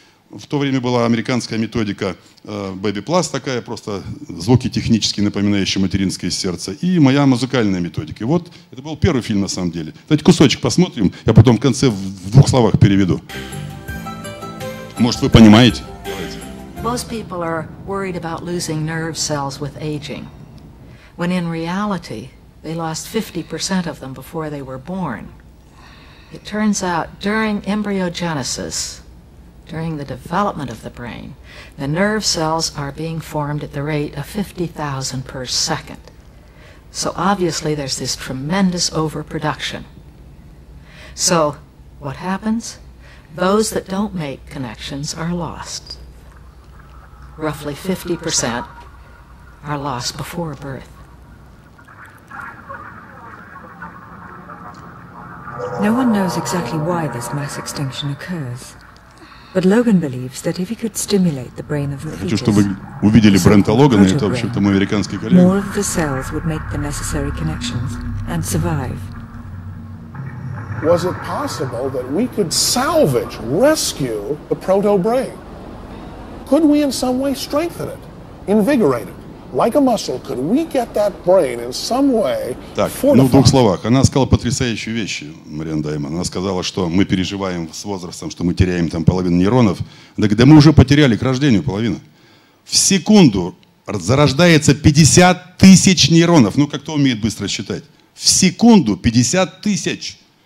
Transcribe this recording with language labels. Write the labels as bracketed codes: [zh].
[ru] В то время была американская методика Baby Plus такая, просто звуки технически напоминающие материнское сердце, и моя музыкальная методика. И вот это был первый фильм на самом деле. Давайте кусочек посмотрим, я потом в конце в двух словах переведу. Может, вы понимаете? [en] Most people are worried about losing nerve cells with aging, when in reality they lost 50% of them before they were born. It turns out during embryogenesis, during the development of the brain, the nerve cells are being formed at the rate of 50,000 per second. So obviously there's this tremendous overproduction. So what happens? Those that don't make connections are lost. Roughly 50% are lost before birth. No one knows exactly why this mass extinction occurs. But Logan believes that if he could stimulate the brain of the fetus, [ru] хочу, чтобы вы увидели Брента Логана, это, в общем-то, мой американский коллега. [en] More of the cells would make the necessary connections and survive. Was it possible that we could salvage, rescue the proto-brain? Could we in some way strengthen it, invigorate it? Like a muscle, could we get that brain in some way fortified? [ru] Так, ну, в двух словах. Она сказала потрясающую вещь, Мариан Даймон. Она сказала, что мы переживаем с возрастом, что мы теряем там половину нейронов. Да мы уже потеряли к рождению половину. В секунду зарождается 50 тысяч нейронов. Ну, как кто умеет быстро считать? В секунду 50 тысяч.